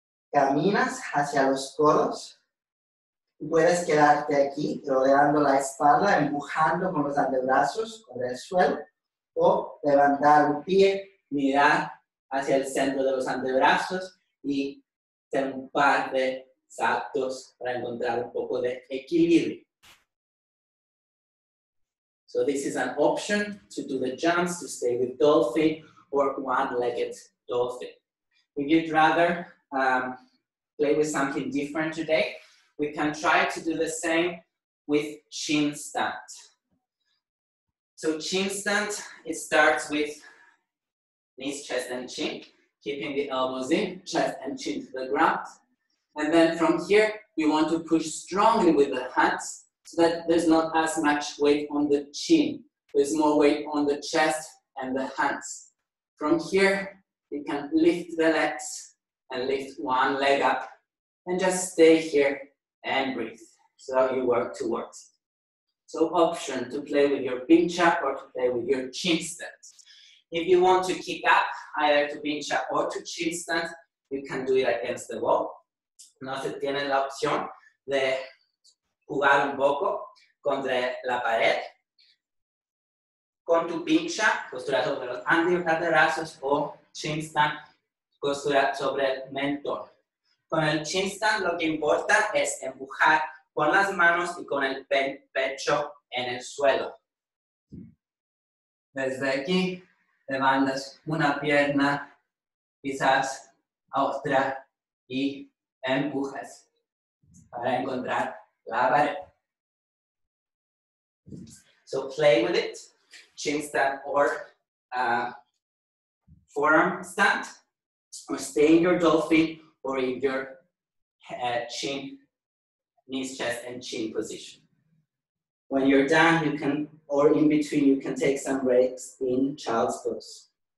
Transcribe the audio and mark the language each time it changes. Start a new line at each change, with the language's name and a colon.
Spanish: caminas hacia los codos y puedes quedarte aquí rodeando la espalda, empujando con los antebrazos sobre el suelo o levantar un pie, mirar hacia el centro de los antebrazos y hacer un par de saltos para encontrar un poco de equilibrio.
English: So this is an option to do the jumps, to stay with dolphin or one-legged dolphin. If you'd rather play with something different today, we can try to do the same with chin stand. So chin stand, it starts with knees, chest, and chin, keeping the elbows in, chest and chin to the ground. And then from here, we want to push strongly with the hands so that there's not as much weight on the chin. There's more weight on the chest and the hands. From here, you can lift the legs and lift one leg up and just stay here and breathe so that you work towards it. So option to play with your pincha or to play with your chin stand. If you want to kick up, either to pincha or to chin stand, you can do it against the wall.
Spanish: No se tiene la opción de jugar un poco contra la pared. Con tu pincha, postura sobre los antebrazos o chin stand, postura sobre el mentón. Con el chin stand lo que importa es empujar con las manos y con el pecho en el suelo. Desde aquí, levantas una pierna, quizás a otra, y empujas para encontrar la pared.
English: So play with it, chin stand or forearm stand. stay in your dolphin or in your chin, knees, chest, and chin position. When you're done, you can, or in between, you can take some breaks in child's pose.